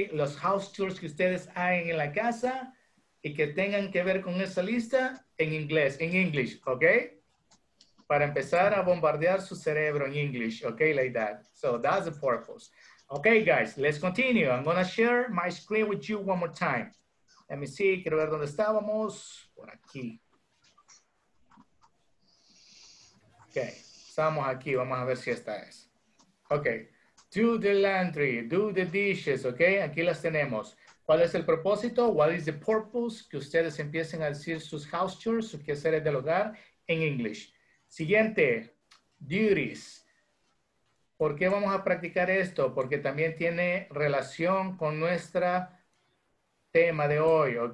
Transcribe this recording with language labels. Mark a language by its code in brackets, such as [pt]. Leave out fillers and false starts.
[es] Los house chores que ustedes hagan en la casa y que tengan que ver con esa lista en inglés, en English, ¿ok? Para empezar a bombardear su cerebro en English, ¿ok? [en] Like that. So that's the purpose. Okay, guys, let's continue. I'm gonna share my screen with you one more time. Let me see, [es] quiero ver dónde estábamos. Por aquí. Okay, estamos aquí, vamos a ver si esta es. [en] Okay, do the laundry, do the dishes, okay? [es] Aquí las tenemos. ¿Cuál es el propósito? [en] What is the purpose? [es] Que ustedes empiecen a decir sus house chores, sus quehaceres del hogar, en English. Siguiente, duties. ¿Por qué vamos a practicar esto? Porque también tiene relación con nuestro tema de hoy, ¿ok?